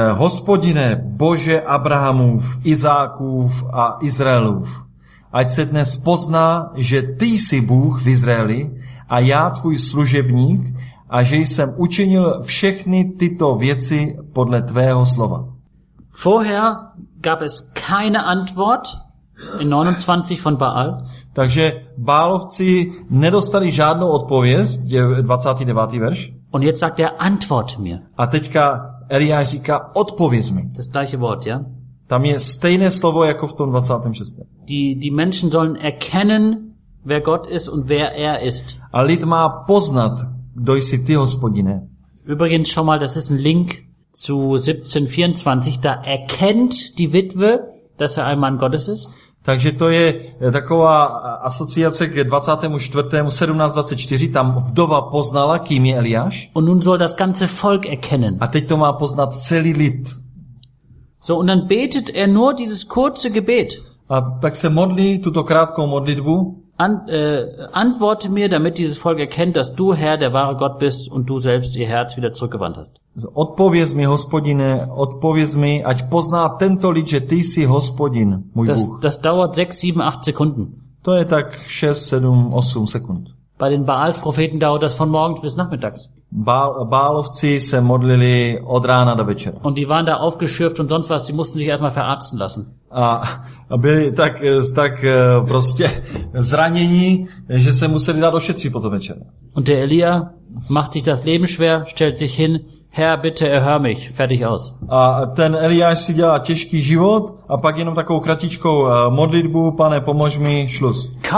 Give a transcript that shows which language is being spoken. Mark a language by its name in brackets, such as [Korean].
[Czech] Hospodine, Bože Abrahamův, Izákův a Izraelův, ať se dnes pozná, že ty jsi Bůh v Izraeli a já tvůj služebník a že jsem učinil všechny tyto věci podle tvého slova. [German] Vorher gab es keine Antwort in 29 von Baal. [Czech] Takže Baalovci nedostali žádnou odpověď, je 29. verš. [German] Und jetzt sagt er, antworte mir. [Czech] A teďka Eliáš říká, odpověz mi. [German] Das gleiche Wort, ja? [Czech] Tam je stejné slovo jako v tom 26. [German] Die Menschen sollen erkennen, wer Gott ist und wer er ist. [Czech] A lid má poznat, kdo jsi ty, Hospodine. [German] Übrigens schon mal, das ist ein Link zu 17:24, da erkennt die Witwe, dass er ein Mann Gottes ist. [Czech] Takže to je taková asociace k 24:17:24, tam vdova poznala, kým je Eliáš. [German] Und nun soll das ganze Volk erkennen. [Czech] A teď to má poznat celý lid. [German] So, und dann betet er nur dieses kurze Gebet. [Czech] A tak se modlí tuto krátkou modlitbu. [German] Antworte mir, damit dieses Volk erkennt, dass du Herr der wahre Gott bist und du selbst ihr Herz wieder zurückgewandt hast. [Czech] Odpověz mi, Hospodine, odpověz mi, ať pozná tento lid, že ty jsi Hospodin, můj [German] das, [Czech] Bůh. [German] Das dauert 6-7-8 Sekunden. [Czech] To je tak 6-7-8 Sekund. [German] Bei den Baalspropheten dauert das von morgens bis nachmittags. [Czech] Baalovci se modlili od rána do večera. [German] Und die waren da aufgeschürft und sonst was, die mussten sich erstmal verarzten lassen. [Czech] A byli tak prostě zranění, že se museli dát ošetřit potom večer. [German] Und der Elia macht sich das Leben schwer, stellt sich hin, Herr, bitte erhör mich, fertig aus. [Czech] A ten Eliáš si dělá těžký život a pak jenom takovou kratičkou modlitbu, Pane, pomož mi, [German] Schluss.